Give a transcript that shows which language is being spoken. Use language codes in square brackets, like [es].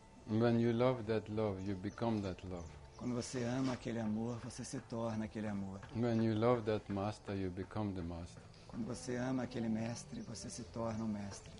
[en] When you love that love, you become that love. [pt] Quando você ama aquele amor, você se torna aquele amor. [en] When you love that master, you become the master. [pt] Quando você ama aquele mestre, você se torna o mestre.